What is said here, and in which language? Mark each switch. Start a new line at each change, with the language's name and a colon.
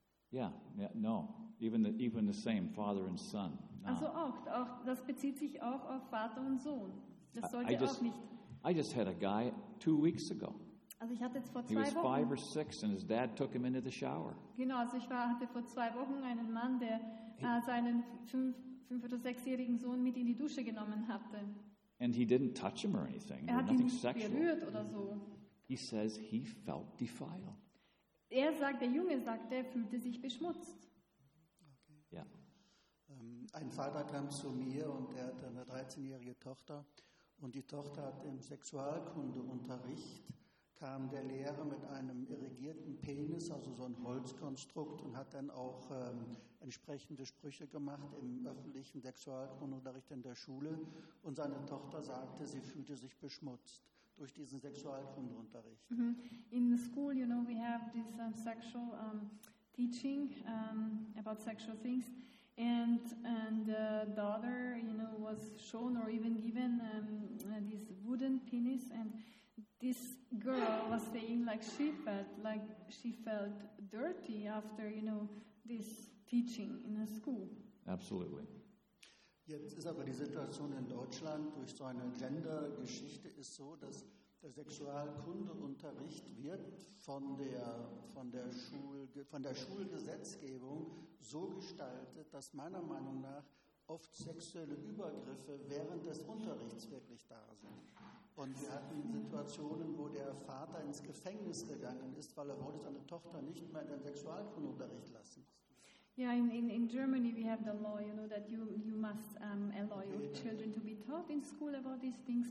English: Yeah, no, even the same father and son. No.
German: Also auch das bezieht sich auch auf Vater und Sohn. Das sollte auch nicht.
English: I just had a guy 2 weeks ago.
German: Also ich hatte jetzt vor 2 Wochen.
English: He was 5 or 6, and his dad took him into the shower.
German: Genau, also ich hatte vor 2 Wochen einen Mann, der seinen 5 oder 6-jährigen Sohn mit in die Dusche genommen hatte.
English: And he didn't touch him or anything.
German: Er hat
English: nothing
German: ihn nicht
English: sexual.
German: Berührt oder so.
English: He says he felt defiled.
German: Er sagt, der Junge sagt, er fühlte sich beschmutzt.
English: Okay. Yeah.
German: Ein Vater kam zu mir und er hat eine 13-jährige Tochter. Und die Tochter hat im Sexualkundeunterricht, kam der Lehrer mit einem irrigierten Penis, also so ein Holzkonstrukt, und hat dann auch entsprechende Sprüche gemacht im öffentlichen Sexualkundeunterricht in der Schule. Und seine Tochter sagte, sie fühlte sich beschmutzt durch diesen Sexualkundeunterricht. Mm-hmm.
English: In the school, you know, we have this sexual teaching about sexual things. And the daughter, you know, was shown or even given this wooden penis. And this girl was saying, like, she felt, like, she felt dirty after, you know, this teaching in a school. Absolutely.
German: Jetzt ist aber die Situation in Deutschland durch so eine Gender-Geschichte ist so, dass der Sexualkundeunterricht wird von der Schulgesetzgebung so gestaltet, dass meiner Meinung nach oft sexuelle Übergriffe während des Unterrichts wirklich da sind. Und wir hatten Situationen, wo der Vater ins Gefängnis gegangen ist, weil er wollte seine Tochter nicht mehr in den Sexualkundeunterricht lassen.
English: Yeah, in Germany we have the law, you know, that you must allow your children to be taught in school about these things.